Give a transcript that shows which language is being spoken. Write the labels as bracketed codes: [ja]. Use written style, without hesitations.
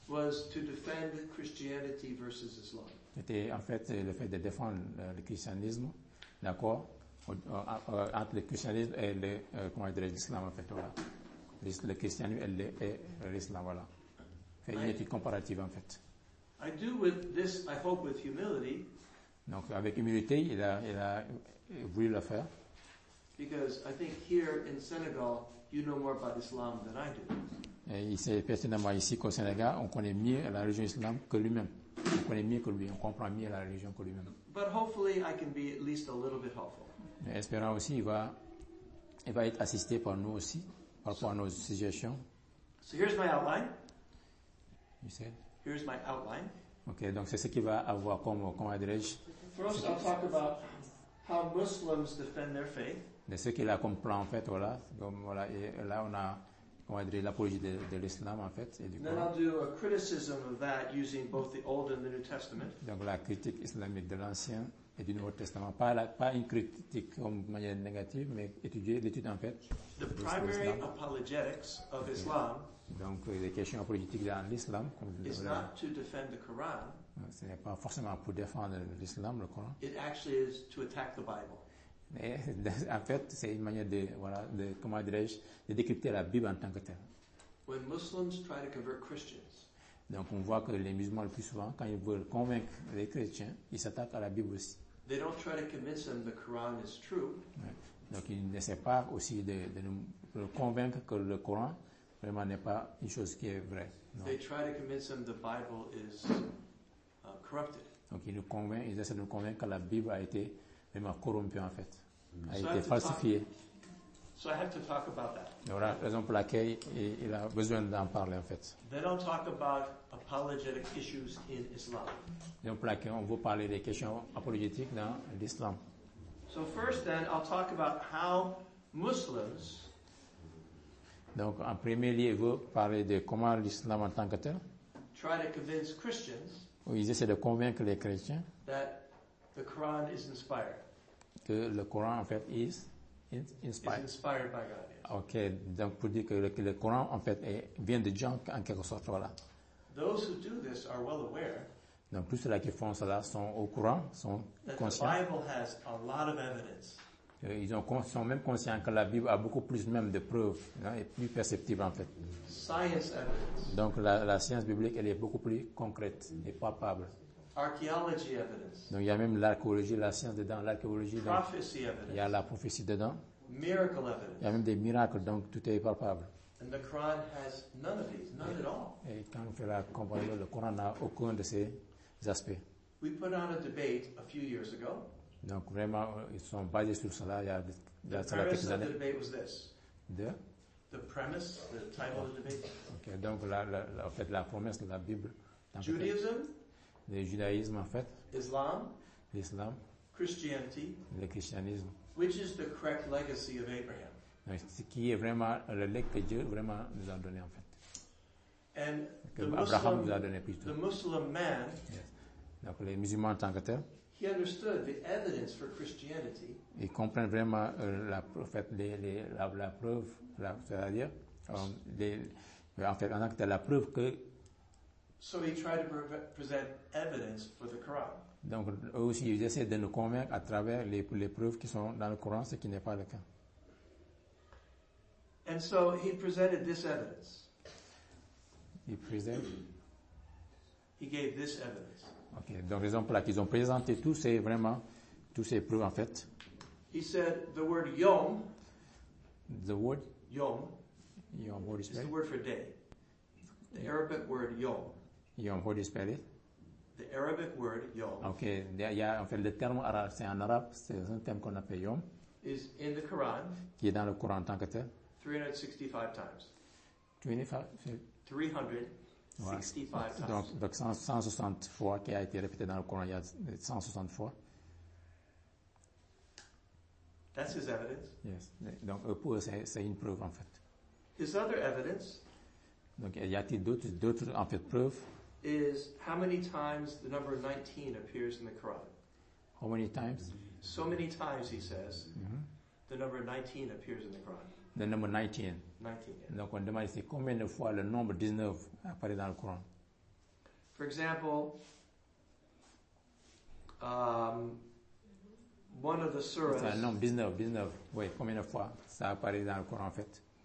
[en] Was to defend Christianity versus Islam. [fr] C'était, en fait, le fait de défendre le christianisme. D'accord? Entre le christianisme et le comment dire l'islam en fait voilà le christianisme et l'islam voilà fait une étude comparative en fait. [en] I do with this, I hope with humility. [fr] Donc avec humilité il a voulu le faire. [en] Because I think here in Senegal you know more about Islam than I do. [fr] Et il sait personnellement ici qu'au Sénégal on connaît mieux la religion islam que lui-même. On connaît mieux que lui, on comprend mieux la religion que lui-même. [en] But hopefully I can be at least a little bit helpful. [fr] Mais espérant aussi, il va être assisté par nous aussi, par rapport à nos situations. [en] So here's my outline. You said? Here's my outline. [fr] Ok, donc c'est ce qu'il va avoir comme, comment dirais-je? [en] First, I'll talk about how Muslims defend their faith. [fr] De ce qu'il a comme plan, en fait, voilà. Donc, voilà, et là, on a, comment dirais-je, l'apologie de l'islam, en fait. Et du [en] then [fr] coup, [en] I'll do a criticism of that using both the Old and the New Testament. [fr] Donc la critique islamique de l'Ancien. Et du Nouveau Testament, pas une critique comme de manière négative, mais étudier l'étude en fait. [en] The primary apologetics of Islam. [fr] Donc les questions apologétiques dans l'islam. [en] Is not to defend the Quran. [fr] Ce n'est pas forcément pour défendre l'islam, le Coran. [en] It actually is to attack the Bible. [fr] Mais en fait, c'est une manière de voilà de comment dirais-je de décrypter la Bible en tant que telle. [en] When Muslims try to convert Christians. [fr] Donc on voit que les musulmans le plus souvent, quand ils veulent convaincre les chrétiens, ils s'attaquent à la Bible aussi. [en] They don't try to convince them the Quran is true. [fr] Ouais. Donc ils n'essaient pas aussi de nous convaincre que le Coran vraiment n'est pas une chose qui est vraie. Non. [en] They try to convince them the Bible is corrupted. [fr] Donc ils essaient de nous convaincre que la Bible a été vraiment corrompue en fait, a été falsifiée. [en] So I have to talk about that. [fr] Voilà, raison pour laquelle il a besoin d'en parler en fait. [en] They don't talk about apologetic issues in Islam. [fr] Donc pour laquelle on veut parler des questions apologétiques dans l'islam. [en] So first then I'll talk about how Muslims. [fr] Donc en premier lieu, il veut parler de comment l'islam en tant que tel. [en] Try to convince Christians. [fr] Ou ils essaient de convaincre les chrétiens. [en] That the Quran is inspired. [fr] Que le Coran en fait est. [en] Inspired by God. Yes. [fr] Okay, donc pour dire que le Coran en fait vient de Dieu en quelque sorte voilà. [en] Those who do this are well aware. [fr] Donc tous ceux qui font cela sont au courant, sont conscients. [en] The Bible has a lot of evidence. [fr] Ils sont même conscients que la Bible a beaucoup plus même de preuves, hein, et plus perceptible en fait. [en] Science evidence. [fr] Donc la science biblique elle est beaucoup plus concrète et palpable. [en] Archaeology evidence. [fr] Donc il y a même l'archéologie, la science dedans, l'archéologie. [en] Prophecy [fr] donc, [en] evidence. [fr] Il y a la prophétie dedans. [en] Miracle evidence. [fr] Il y a même des miracles, donc tout est palpable. [en] And the Quran has none of these, none at all. [fr] Et quand on fait la comparaison, le Coran n'a aucun de ces aspects. We put on a debate a few years ago. Donc vraiment, ils sont basés sur cela. Il y a la première chose de débat [en] was this. [fr] De? [en] The premise, the title of the debate. [fr] Okay, donc la, en fait, la promesse de la Bible. [en] Judaism. [fr] Le judaïsme, en fait. [en] Islam. [fr] L'islam. [en] Christianity. [fr] Le christianisme. [en] Which is the correct legacy of Abraham? [fr] Ce qui est vraiment le legs que Dieu vraiment nous a donné, en fait. [en] And [fr] que [en] the Abraham Muslim, [fr] nous a donné plutôt. [en] The Muslim man. Yes. [fr] Donc les musulmans en tant que tel. [en] He understood the evidence for Christianity. [fr] Il comprend vraiment la, en fait, la preuve, la, c'est-à-dire, en fait, en acte, la preuve que. [en] So he tried to present evidence for the Quran. [fr] Donc eux aussi, ils essaient de nous convaincre à travers les preuves qui sont dans le Coran, ce qui n'est pas le cas. [en] And so he presented this evidence. He presented. He gave this evidence. Okay. [fr] Donc raison pour laquelle ils ont présenté tous ces vraiment tous ces preuves en fait. [en] He said the word yom. The word yom. Yom. What is the word for day? The yom. Arabic word yom. Yom. What is spelled? The Arabic word yom. Okay. [fr] Il y a en fait le terme arabe. C'est en arabe. C'est un terme qu'on appelle yom. [en] Is in the Quran. [fr] Qui est dans le Coran en tant que tel. [en] 365 times. [fr] Donc 160 fois qui a été répété dans le Coran, il y a 160 fois. [en] That's his evidence. Yes. [fr] Donc pour eux, c'est une preuve en fait. [en] His other evidence. [fr] Donc y a-t-il d'autres en fait preuves? [en] Is how many times the number 19 appears in the Quran? How many times? So many times he says the number 19 appears in the Quran. [fr] Le nombre 19. [en] 19, yeah. [fr] Donc on demande c'est combien de fois le nombre 19 apparaît dans le Coran. [en] For example, one of the surahs. [fr] C'est un nombre 19. Oui, combien de fois ça apparaît dans le Coran en fait?